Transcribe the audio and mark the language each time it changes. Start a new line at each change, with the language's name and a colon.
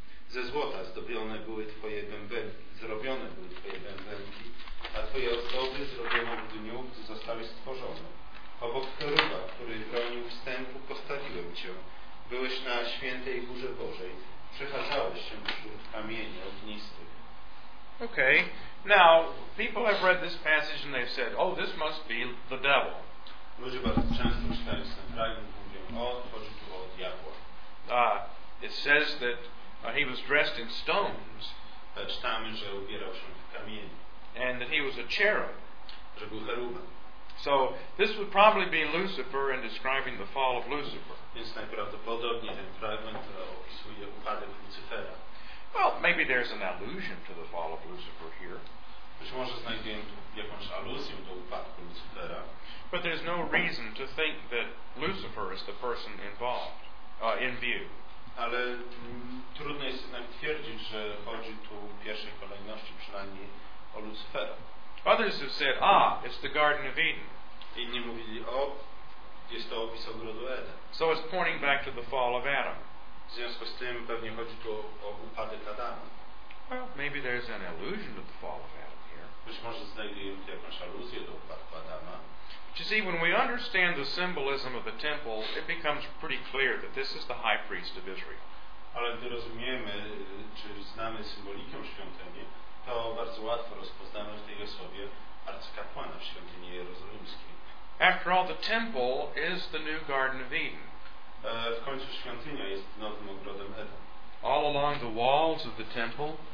Polish: Ze złota zdobione były Twoje bębenki, zrobione były Twoje bębenki, a Twoje ozdoby zrobione w dniu, gdy zostałeś stworzony. Obok cheruba, który bronił wstępu, postawiłem Cię. Byłeś na świętej górze Bożej. Przechadzałeś się wśród kamieni ognistych.
English: Okay. Now, people have read this passage and they've said, oh, this must be the devil.
Polish: Ludzie bardzo często czytają ten fragment, mówią, o, chodzi tu o diabła.
English: It says that he was dressed in stones.
Polish: Czytamy, że ubierał się w kamieni.
English: And that he was a cherub.
Polish: Że był cheruba.
English: So this would probably be Lucifer and describing the fall of Lucifer.
Polish: Więc najprawdopodobniej ten fragment opisuje upadek Lucyfera.
English: Well, maybe there's an allusion to the fall of Lucifer here.
Polish: Być może znajdziemy tu jakąś aluzję do upadku Lucyfera.
English: But there's no reason to think that Lucifer is the person involved, in view.
Polish: Ale trudno jest jednak twierdzić, że chodzi tu w pierwszej kolejności przynajmniej o Lucyfera.
English: Others have said, ah, it's the Garden of Eden.
Polish: Inni mówili, o, jest to opis ogrodu Eden.
English: So it's pointing back to the fall of Adam.
Polish: W związku z tym pewnie chodzi tu o upadek Adama.
English: Well, maybe there's an allusion to the fall of Adam here.
Polish: Być może znajdujemy tu jakąś aluzję do upadku Adama.
English: But you see, when we understand the symbolism of the temple, it becomes pretty clear that this is the high priest of Israel.
Polish: Ale gdy rozumiemy, czy znamy symbolikę świątyni, to to bardzo łatwo rozpoznać w tej osobie arcykapłana w świątyni jerozolimskiej.
English: After all, the temple is the new Garden of Eden.
Polish: W końcu świątynia jest nowym ogrodem Eden.
English: All along the walls of the temple